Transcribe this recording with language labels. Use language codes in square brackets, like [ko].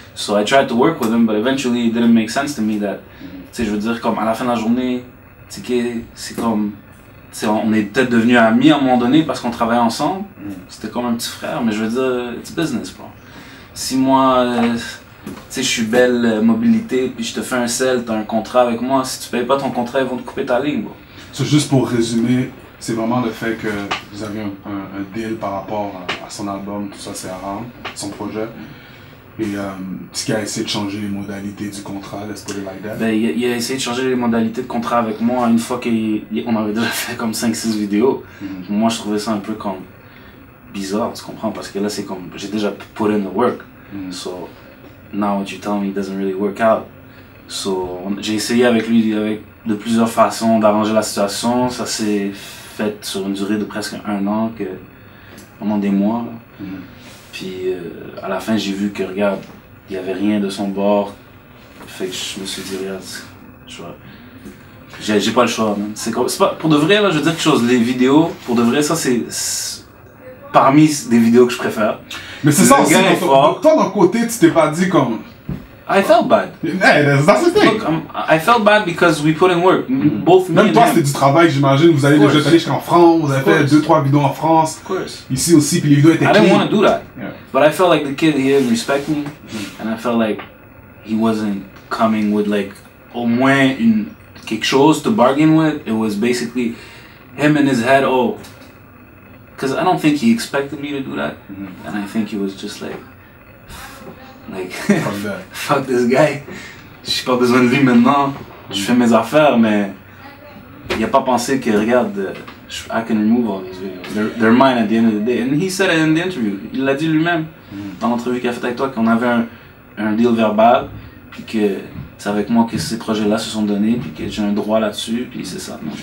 [en] So I tried to work with him, but eventually, it didn't make sense to me that... [fr] Mm. Tu sais, je veux dire, comme à la fin de la journée, tu sais, c'est comme... T'sais, on est peut-être devenu amis à un moment donné parce qu'on travaillait ensemble. Mm. C'était comme un petit frère, mais je veux dire, [en] it's business, bro. [fr] Si moi, tu sais, je suis belle mobilité, puis je te fais un sel, t'as un contrat avec moi, si tu payes pas ton contrat, ils vont te couper ta ligne, bro. C'est juste pour résumer, c'est vraiment le fait que vous avez un deal par rapport à son album, tout ça, c'est Aram, son projet. Et ce qu'il a essayé de changer les modalités du contrat, [en] let's put it like that. [fr] Ben, il a essayé de changer les modalités de contrat avec moi une fois qu'on avait déjà fait comme 5-6 vidéos. Mm-hmm. Moi, je trouvais ça un peu comme bizarre, tu comprends? Parce que là, c'est comme, j'ai déjà [en] put in the work. Mm-hmm. So, now what you tell me doesn't really work out. [fr] So, j'ai essayé avec lui de plusieurs façons d'arranger la situation. Ça s'est fait sur une durée de presque un an, pendant des mois. Mm-hmm. Puis à la fin, j'ai vu que, regarde, il n'y avait rien de son bord. Fait que je me suis dit, regarde, j'ai pas le choix. Man. C'est pas, pour de vrai, là, je veux dire quelque chose. Les vidéos, pour de vrai, ça, c'est parmi des vidéos que je préfère. Mais c'est ça aussi. Le gars est fort. Toi, d'un côté, tu t'es pas dit comme. [en] I felt bad. Yeah, that's the thing. Look, I felt bad because we put in work. Mm-hmm. Both me [fr] même [en] and [fr] toi, [en] him. [fr] C'était du travail, j'imagine. Vous allez déjà aller jusqu'en France, vous avez fait 2-3 vidéos en France. [en] Of course. [fr] Ici aussi, puis les vidéos étaient [en] clean. I didn't want to do that. Yeah. But I felt like the kid, he didn't respect me. Mm-hmm. And I felt like he wasn't coming with, like, [fr] au moins une, quelque chose [en] to bargain with. It was basically him in his head, oh. Because I don't think he expected me to do that. Mm-hmm. And I think he was just like... Like, fuck this guy, [fr] j'ai pas besoin de lui maintenant, je fais mes affaires, mais il a pas pensé que, regarde, [en] I can remove all these videos, they're mine at the end of the day, and he said it in the interview, [fr] il l'a dit lui-même, dans l'entrevue qu'il a fait avec toi, qu'on avait un deal verbal, puis que c'est avec moi que ces projets-là se sont donnés, puis que j'ai un droit là-dessus, puis c'est ça.